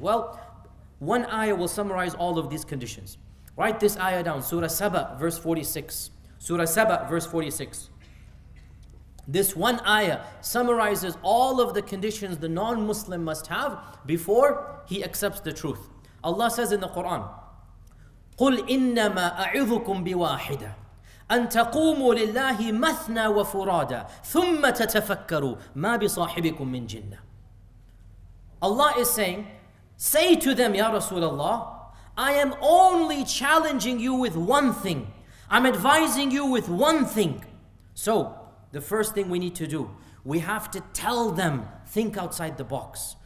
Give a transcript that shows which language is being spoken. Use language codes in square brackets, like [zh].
[en] Well, one ayah will summarize all of these conditions. Write this ayah down, Surah Saba, verse 46. Surah Saba, verse 46. This one ayah summarizes all of the conditions the non-Muslim must have before he accepts the truth. Allah says in the Quran, [ar] قُلْ إِنَّمَا أَعِذُكُمْ بِوَاحِدَةً أَن تَقُومُوا لِلَّهِ مَثْنَى وَفُرَادًا ثُمَّ تَتَفَكَّرُوا مَا بِصَاحِبِكُمْ مِنْ جِنَّةً. [en] Allah is saying, say to them, Ya Rasulullah, I am only challenging you with one thing. I'm advising you with one thing. So, the first thing we need to do, we have to tell them, think outside the box.